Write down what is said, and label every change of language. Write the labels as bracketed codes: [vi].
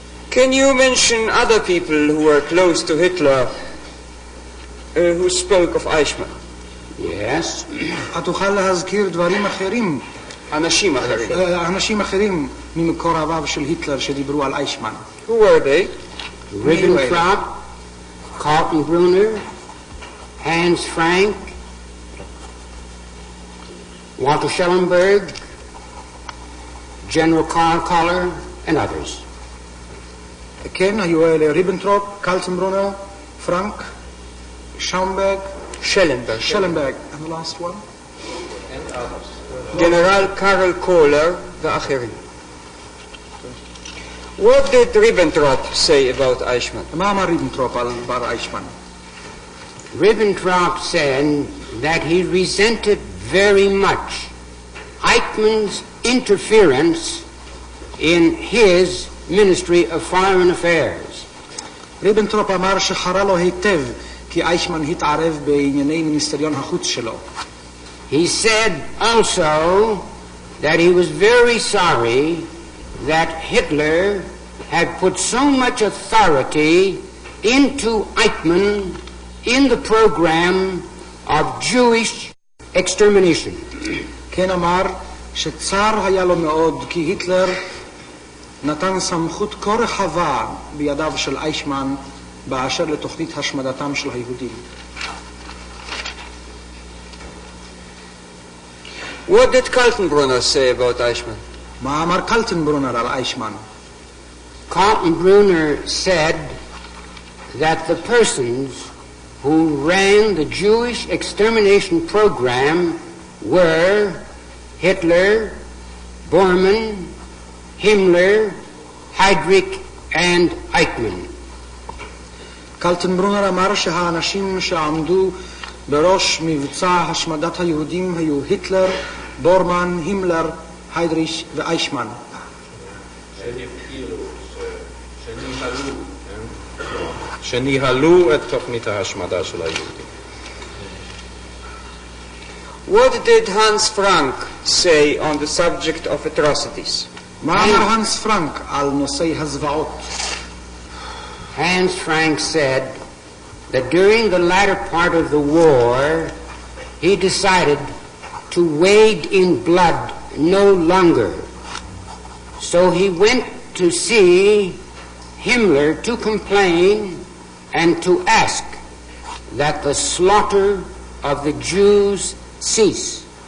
[en] Can you mention other people who were close to Hitler who spoke of Eichmann? Yes. [he] אתוכל להזכיר דברים אחרים. אנשים אחרים. אנשים אחרים ממקור אביו של היטלר שדיברו על אייכמן. [en] Who were they? Ribbentrop, Kaltenbrunner, Hans Frank, Walter Schellenberg, General Karl Koller, and others. [he] כן, היו אלה ריבנטרופ, קלצנברונר, פרנק, שלנברג, שלנברג, [en] and the last one? [he] And גנרל קארל קולר ואחרים. [en] What did ריבנטרופ say about אייכמן? [he] מה אמר ריבנטרופ על בר אייכמן? [en] ריבנטרופ said that he resented very much Eichmann's interference in his Ministry of Foreign Affairs. [he] ריבנטרופ אמר שחרה לו היטב כי אייכמן התערב בענייני מיניסטריון החוץ שלו. [en] He said also that he was very sorry that Hitler had put so much authority into Eichmann in the program of Jewish extermination. [he] כן אמר שצר היה לו מאוד כי היטלר נתן סמכות כה רחבה בידיו של אייכמן באשר לתוכנית השמדתם של היהודים. [en] What did Kaltenbrunner say about Eichmann? [he] מה אמר קלטנברונר על אייכמן? [en] Kaltenbrunner said that the persons who ran the Jewish extermination program were Hitler, Bormann, Himmler, Heydrich and Eichmann. [he] Kaltenbrunner אמר שהאנשים שעמדו בראש מבצע השמדת היהודים היו היטלר, בורמן, הימלר, היידריש ואייכמן. שניהלו את תוכנית ההשמדה של היהודים. [en] What did Hans Frank say on the subject of atrocities? [he] מה אמר הנס פרנק על נושאי הזוועות? [en] Hans Frank said that during the latter part of the war, he decided to wade in blood no longer. So he went to see Himmler to complain and to ask that the slaughter of the Jews cease.